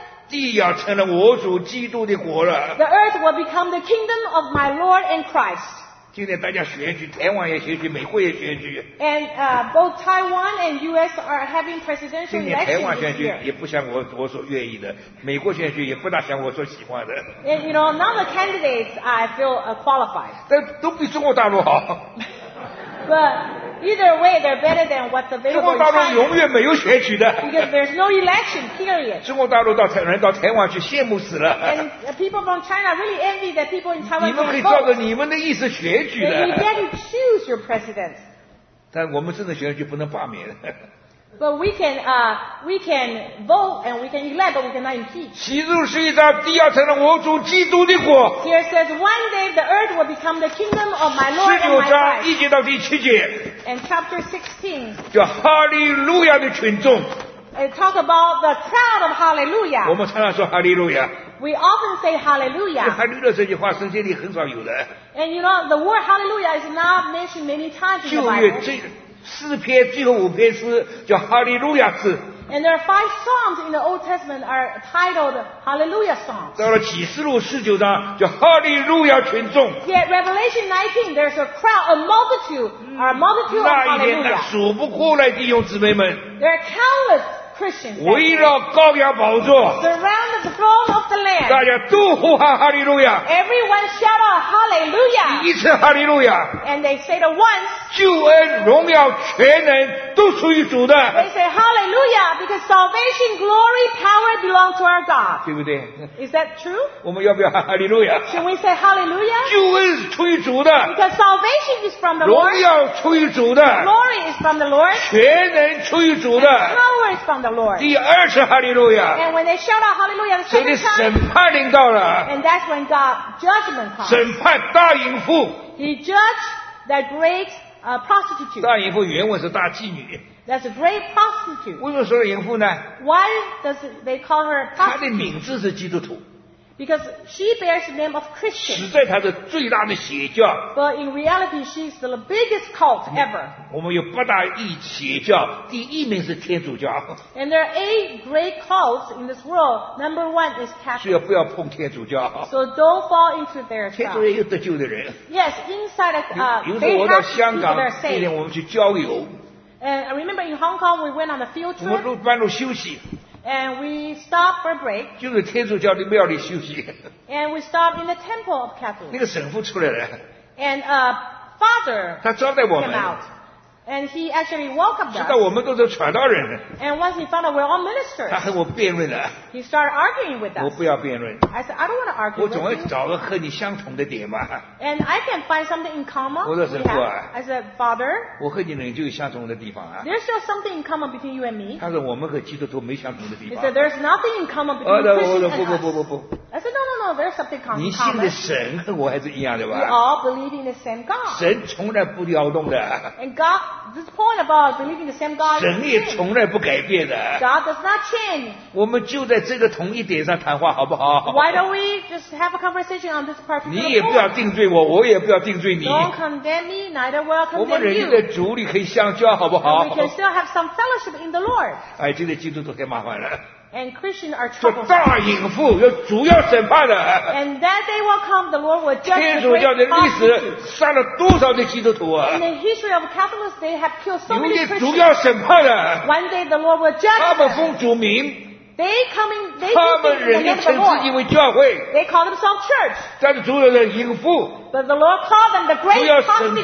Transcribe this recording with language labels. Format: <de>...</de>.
<zh>地要成了我主基督的国了。</zh> <en>The earth will become the kingdom of my Lord and Christ.</en> <zh>今天大家选举，台湾也选举，美国也选举。</zh> <en>And both Taiwan and U.S. are having presidential elections.</en> <zh>今天台湾选举也不像我所愿意的，美国选举也不大像我所喜欢的。</zh> <en>And you know, none of the candidates I feel qualified.</en> <zh>但都比中国大陆好。</zh> <en>But either way, they're better than what's available.</en> <zh>中国大陆永远没有选举的。</zh> <en>Because there's no election period.</en> <zh>中国大陆到台湾去羡慕死了。</zh> <en>And people from China really envy that people in Taiwan.</en> <zh>你们可以照着你们的意思选举的。</zh> <en>You get to choose your president.</en> <zh>但我们真的选举不能罢免。</zh> <en>But we can vote and we can elect, but we cannot impeach.</en> <zh>启示录十一章，地要成了我主基督的国。</zh> <en>Here says, one day the earth will become the kingdom of my Lord and my Christ.</en> <zh>十九章一节到第七节。</zh> <en>And chapter 16.</en> <zh>叫哈利路亚的群众。</zh> <en>It talk about the crowd of hallelujah.</en> <zh>我们常常说哈利路亚。</zh> <en>We often say hallelujah.</en> <zh>哈利路亚这句话圣经里很少有的。</zh> <en>And you know, the word hallelujah is not mentioned many times in the Bible.</en> <zh>诗篇最后五篇诗叫哈利路亚诗。</zh> <en>And there are five psalms in the Old Testament are titled Hallelujah Psalms.</en> <zh>到了启示录十九章叫哈利路亚群众。</zh> <en>Yet Revelation 19, there's a crowd, a multitude of Hallelujah.</en> <zh>那一天那数不过来弟兄姊妹们。</zh> <en>There are countless Christians.</en> <zh>围绕羔羊宝座。</zh> <en>Surround the throne of the Lamb.</en> <zh>大家都呼喊哈利路亚。</zh> <en>Everyone shout out Hallelujah.</en> <zh>一次哈利路亚。</zh> <en>And they say it once.</en> <zh>救恩荣耀全能都属于主的。</zh> <en>They say Hallelujah because salvation, glory, power belong to our God.</en> <zh>对不对</zh> <en>？Is that true？</en> <zh>我们要不要哈利路亚</zh> <en>？Should we say Hallelujah？</en> <zh>救恩是出于主的。</zh> <en>Because salvation is from the Lord.</en> <zh>荣耀出于主的。</zh> <en>Glory is from the Lord.</en> <zh>全能出于主的。</zh> <en>Power is from the Lord.</en> <zh>第二次哈利路亚。</zh> <en>And when they shout out Hallelujah the second time,</en> <zh>所以审判临到了。</zh> <en>And that's when God judgment comes.</en> <zh>审判大淫妇。</zh> <en>He judged the great. Prostitute.</en> <zh>大淫妇原文是大妓女。</zh> <en>That's a great prostitute.</en> <zh>为什么说淫妇呢</zh> <en>？Why does they call her prostitute?</en> <zh>她的名字是基督徒。</zh> <en>Because she bears the name of Christian.</en> <zh>实在她是最大的邪教。</zh> <en>But in reality, she's the biggest cult ever.</en> <zh>我们有八大邪教，第一名是天主教。</zh> <en>And there are eight great cults in this world. Number one is Catholic.</en> <zh>所以不要碰天主教。</zh> <en>So don't fall into their trap.</en> <zh>天主教有得救的人。</zh> <en>Yes, inside of they have people that are saved.</en> <zh>那天我们去郊游。</zh> <en>And I remember in Hong Kong, we went on a field trip.</en> <zh>我们路半路休息。</zh> <en>And we stop for a break.</en> <zh>就是天主教的庙里休息。</zh> <en>And we stop in the temple of Catholic.</en> <zh>那个神父出来了。</zh> <en>And a father.</en> <zh>他招待我们。</zh> <en>Came out. And he actually welcomed us.</en> <zh>知道我们都是传道人。</zh> <en>And once he found out we're all ministers.</en> <zh>他和我辩论了。</zh> <en>He started arguing with us.</en> <zh>我不要辩论。</zh> <en>I said I don't want to argue.</en> <zh>我总要找个和你相同的点嘛。</zh> <en>And I can find something in common.</en> <zh>我说神父啊。</zh> <en>I said father.</en> <zh>我和你仍旧有相同的地方啊。</zh> <en>There's still something in common between you and me.</en> <zh>他说我们和基督徒没相同的地方。</zh> <en>He said there's nothing in common between Christians and us.</en> <zh>不。</zh> <en>I said no. There's something common.</en> <zh>你信的神和我还是一样的吧。</zh> <en>We all believe in the same God.</en> <zh>神从来不摇动的。</zh> <en>And God. This point about believing the same God.</en> <zh>神也从来不改变的。</zh> <en>God does not change.</en> <zh>我们就在这个同一点上谈话，好不好</zh> <en>？Why don't we just have a conversation on this particular point?</en> <zh>你也不要定罪我，我也不要定罪你。</zh> <en>Don't condemn me, neither will I condemn you.</en> <zh>我们人在主里可以相交，好不好</zh> <en>？We can still have some fellowship in the Lord.</en> <zh>哎，这些基督徒太麻烦了。</zh> <en>And Christians are troubled.</en> <zh>大淫妇要主要审判的。</zh> <en>And that day will come, the Lord will judge.</en> <zh>天主教的历史杀了多少的基督徒啊</zh> <en>？In the history of Catholics, they have killed so many Christians.</en> <zh>主要审判的。</zh> <en>One day, the Lord will judge.</en> <zh>他们奉主名。</zh> <en>They come in. They</en> <zh>他们人称自己为教会。</zh> <en>They call themselves church.</en> <zh>但是主要的淫妇。</zh> <en>But the Lord called them the great prostitute.</en>